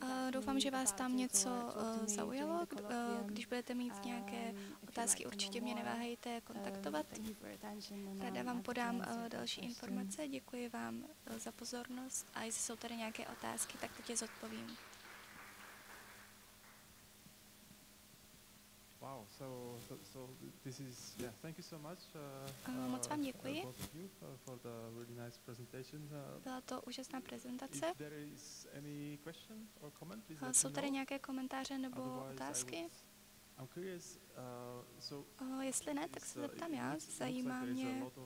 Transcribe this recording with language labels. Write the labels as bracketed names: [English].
[Czech] Doufám, že vás tam něco zaujalo. Když budete mít nějaké otázky, určitě mě neváhejte kontaktovat. Ráda vám podám další informace. Děkuji vám za pozornost. A jestli jsou tady nějaké otázky, tak teď je zodpovím. [English] Wow, so this is, yeah, thank you so much. [Czech] Moc vám děkuji. [English] For the really nice presentation. [Czech] Byla to úžasná prezentace. [English] If there is any question or comment, please [Czech] jsou tady nějaké komentáře nebo otázky? [English] I'm curious, so [Czech] jestli ne, tak se zeptám já. Zajímá mě.